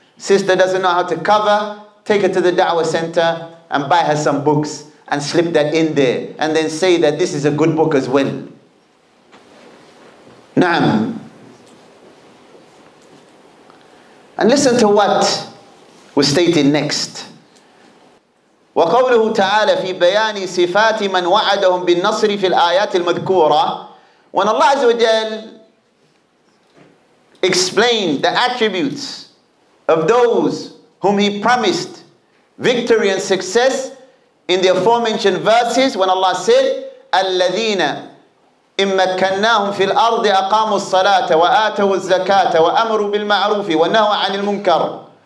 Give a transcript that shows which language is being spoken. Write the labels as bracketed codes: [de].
[en] Sister doesn't know how to cover, take her to the da'wah center and buy her some books and slip that in there, and then say that this is a good book as well. [ar] Naam. [en] And listen to what was stated next. [ar] وقوله تعالى في بيان صفات من وعدهم بالنصر في الآيات المذكورة. [en] When Allah Azza wa Jal explained the attributes of those whom He promised victory and success in the aforementioned verses, when Allah said, [ar] الَّذِينَ إِمَّا كَنَّاهُمْ فِي الْأَرْضِ أَقَامُوا الصَّلَاةَ وَآتَوُوا الزَّكَاةَ وَأَمَرُوا بِالْمَعْرُوفِ وَنَهُوا عَنِ الْمُنْكَرِ.